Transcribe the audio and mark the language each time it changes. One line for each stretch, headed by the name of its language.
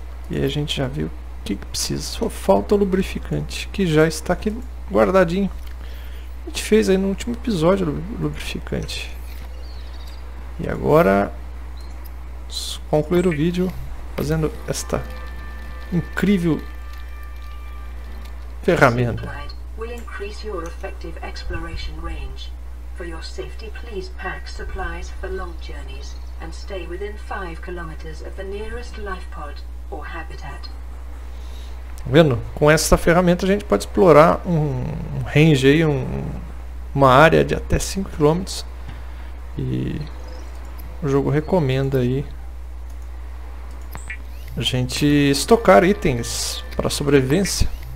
Portuguese: E aí a gente já viu o que precisa. Só falta o lubrificante, que já está aqui guardadinho. A gente fez aí no último episódio o lubrificante. E agora vamos concluir o vídeo fazendo esta incrível ferramenta.
English: Will increase your effective exploration range. For your safety, please pack supplies for long journeys and stay within 5 km of the nearest life pod or habitat.
Portuguese: Vendo? Com essa ferramenta a gente pode explorar um range aí, uma área de até 5 km. E o jogo recomenda aí a gente estocar itens para sobrevivência.